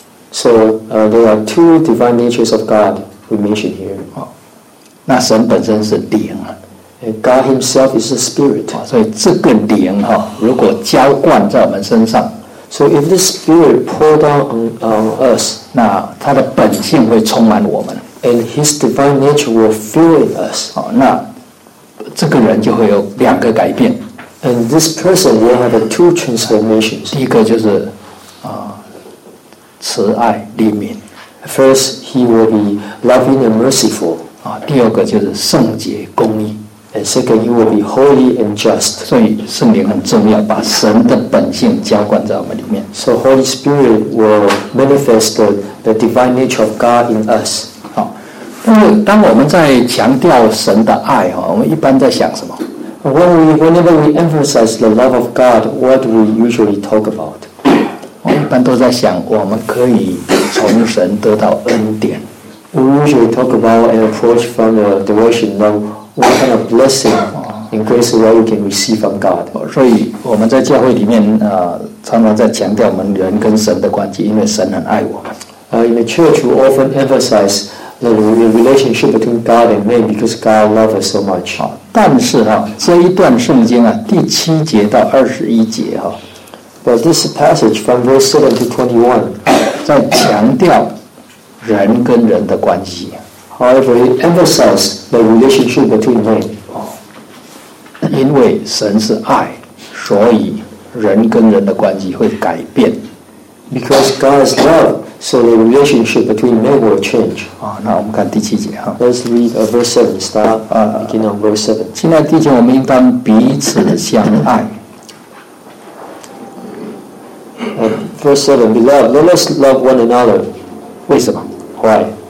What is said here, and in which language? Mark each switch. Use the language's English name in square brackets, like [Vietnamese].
[English] So there are two divine natures of God we mention here. [Chinese] 哦，那神本身是灵啊。 [English] And God Himself is a spirit. [Chinese] 哦，所以这个灵哈，如果浇灌在我们身上 [English] ，So if the Spirit poured down on us, [Chinese] 那他的本性会充满我们。 [English] and His divine nature will fill in us. [Chinese] 好，那这个人就会有两个改变。 [English] And this person will have two transformations. [Chinese] 第一个就是慈爱怜悯。 [English] First, he will be loving and merciful. [Chinese] 啊，第二个就是圣洁公义。 [English] And second, he will be holy and just. [Chinese] 所以圣灵很重要，把神的本性浇灌在我们里面。 [English] So Holy Spirit will manifest the divine nature of God in us. [Chinese] 好，但是当我们在强调神的爱我们一般在想什么？ [English] Whenever we emphasize the love of God, what do we usually talk about? [Chinese] 我一般都在想，我们可以从神得到恩典。 [English] We usually talk about an approach from the devotion of what kind of blessing and grace that we can receive from God. [Chinese] 所以我们在教会里面常常在强调我们人跟神的关系，因为神很爱我们。 [English] In the church, we often emphasize the relationship between God and man because God loves us so much. [Chinese] 好，但是这一段圣经第七节到二十一节 [English] But this passage from verse 7 to 21 [Chinese] 在强调人跟人的关系。 [English] However, it emphasizes the relationship between men. [Chinese] 因为神是爱，所以人跟人的关系会改变。 [English] Because God is love, so the relationship between men will change. [Chinese] 那我们看第七节 [English] Let's read verse 7, start beginning on verse 7. [Chinese] 亲爱的弟兄，我们应当彼此相爱。 [English] Verse 7, beloved, let us love one another. [Chinese] 为什么？ [English] Why?